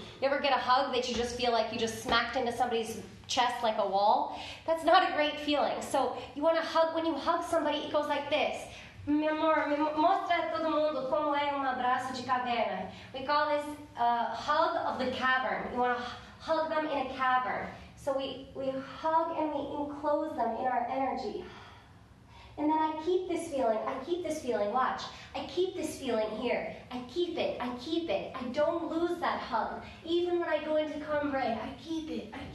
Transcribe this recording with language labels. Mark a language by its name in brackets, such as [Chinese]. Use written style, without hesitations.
[English] You ever get a hug that you just feel like you just smacked into somebody's chest like a wall? That's not a great feeling. So you wanna hug, when you hug somebody, it goes like this. [Portuguese] Mi amor, me mostra a todo mundo como é um abraço de caverna. [English] We call this hug of the cavern. You wanna hug them in a cavern. So we hug and we enclose them in our energy. And then I keep this feeling, watch. I keep this feeling here. I keep it. I don't lose that hug. Even when I go into cambre, I keep it.